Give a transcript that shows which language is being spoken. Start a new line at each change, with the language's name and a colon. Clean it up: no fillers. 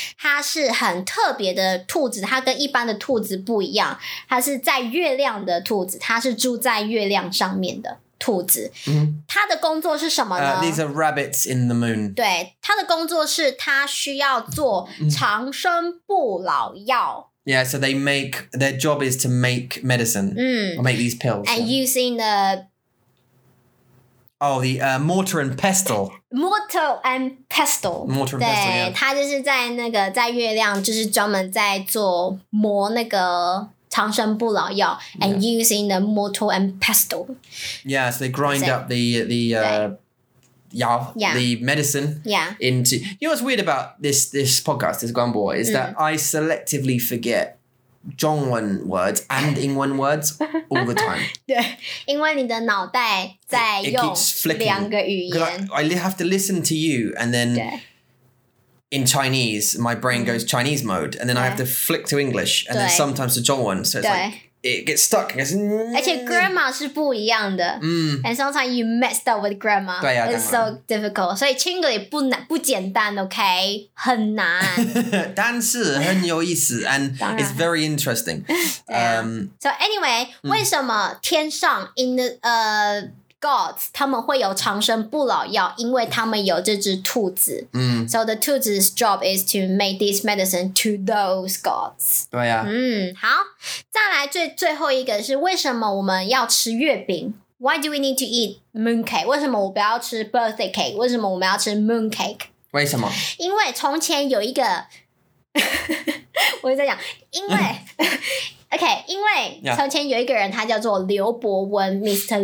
Chinese: 它是很特别的兔子，它跟一般的兔子不一样。它是在月亮的兔子，它是住在月亮上面的兔子。它的工作是什么呢
English: ？These are rabbits in the moon.
Chinese: 对，它的工作是它需要做长生不老药。
English: Yeah, so they make, their job is to make medicine, or make these pills. And using the... Oh, the mortar and pestle. Mortar and pestle. Mortar and pestle, yeah.
Chinese: 他就是在那个在月亮就是专门在做磨那个长生不老药
English: and using the mortar and pestle. Yeah, so they grind up the the medicine into you know what's weird about this podcast this Guanbo is that I selectively forget Zhongwen words and Yingwen words all the time
Chinese: 对因为你的脑袋在用两个语言
English: I have to listen to you and then in Chinese my brain goes Chinese mode and then I have to flick to English and then sometimes to Zhongwen so it's likeIt gets stuck. It gets,
Chinese: 而且 grammar 是不一样的。
English: And sometimes you messed up with grammar. It's so difficult.
Chinese: 所以 Chinglish 不难不简单
English: okay?
Chinese: 很难。但是很有意思
English: and it's very interesting. So anyway,
Chinese: 为什么天上
English: in the
Chinese: gods, 他们会有长生不老药，因为他们有这只兔子。嗯。
English: So the 兔子's job is to make this medicine to those gods.
Chinese: 对呀、啊。嗯，好，再来最后一个是为什么我们要吃月饼？
English: Why do we need to eat moon cake?
Chinese: 为什么我不要吃 birthday cake? 为什么我们要吃 moon cake? 为什么？因为从前有一个，我在讲，因为OK, 因为从前有一个人，他叫做刘伯温 ，Mr.